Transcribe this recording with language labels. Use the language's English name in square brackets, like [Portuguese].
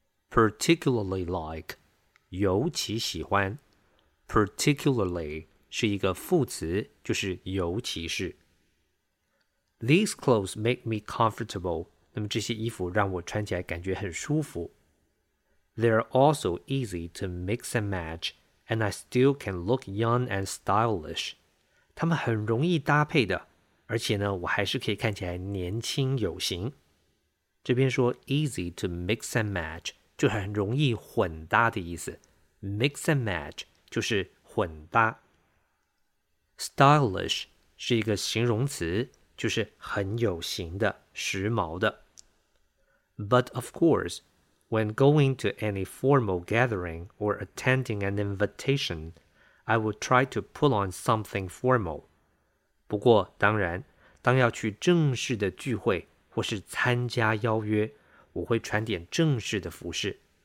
[English] Particularly like [Chinese] 尤其喜欢。 Particularly 是一个副词，就是尤其是。 [English] These clothes make me comfortable. [Chinese] 那么这些衣服让我穿起来感觉很舒服。 [English] They're also easy to mix and match, and I still can look young and stylish. [Chinese] 它们很容易搭配的，而且呢，我还是可以看起来年轻有型。这边说 [English] easy to mix and match [Chinese] 就很容易混搭的意思。 Mix and match 就是混搭。Stylish 是一个形容词，就是很有型的、时髦的。 [English] But of course,When going to any formal gathering or attending an invitation, I would try to put on something formal. [Chinese] 不过当然，当要去正式的聚会或是参加邀约，我会穿点正式的服饰。